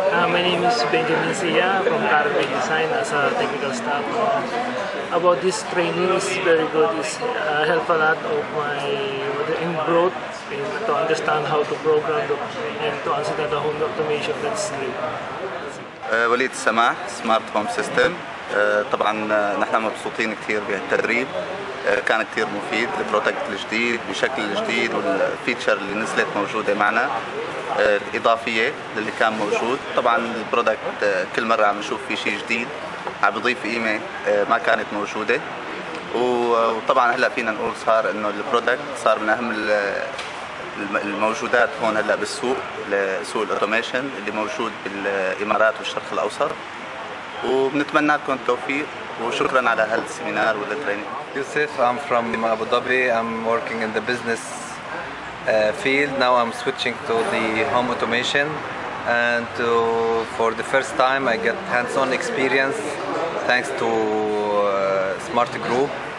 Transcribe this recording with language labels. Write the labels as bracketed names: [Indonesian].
[English] My name is Benjamin Sia from Carpe Design as a technical staff. About this training is very good. It helps a lot of my in growth in, to understand how to program and to understand the home automation. That's great. [Arabic] وليد سما سمارت هوم سيستم. طبعا نحن مبسوطين كثير بهالتدريب، كان كثير مفيد. البرودكت الجديد بشكل جديد والفيتشر اللي نزلت موجوده معنا الاضافيه اللي كان موجود. طبعا البرودكت كل مره عم نشوف فيه شيء جديد، عم يضيف قيمه ما كانت موجوده. وطبعا هلا فينا نقول صار انه البرودكت صار من اهم الموجودات هون هلا بالسوق، لسوق الاوتوميشن اللي موجود بالامارات والشرق الاوسط. وبنتمنى لكم التوفيق وشكرا على هالسيمينار والتريننج. [English] يوسف، I'm from Abu Dhabi. I'm working in the business field. Now I'm switching to the home automation, and to for the first time I get hands-on experience thanks to Smart Group.